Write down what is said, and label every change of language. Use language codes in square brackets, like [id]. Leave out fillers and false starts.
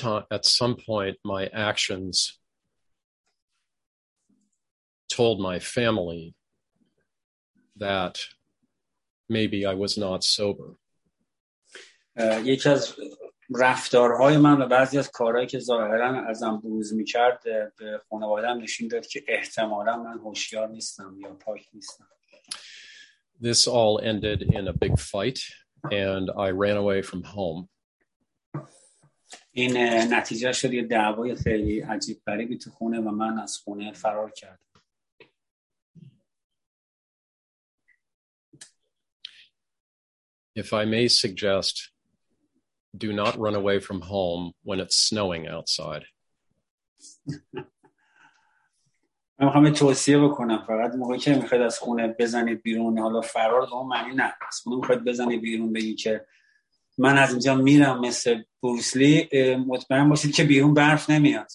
[en] At some point my actions told my family that maybe I was not sober. [fa] یکی از رفتارهای من و بعضی از کارهایی که ظاهراً ازم بروز می‌کرد به خانواده‌ام نشون داد که احتمالاً من هوشیار نیستم یا پاک نیستم. [en] This all ended in a big fight and I ran away from home. [fa] این نتیجه شد یه دعوای خیلی عجیب غریبی تو خونه و من از خونه فرار کردم. [en] If I may suggest, do not run away from home when it's snowing outside. [fa] من میخوام توصیه بکنم فقط موقعی که میخواید از خونه بزنید بیرون، حالا فرار به اون معنی نه، از خونه میخواید بزنید بیرون بگید که من از اینجا میرم مثل بروس لی، مطمئن باشید که بیرون برف نمیاد.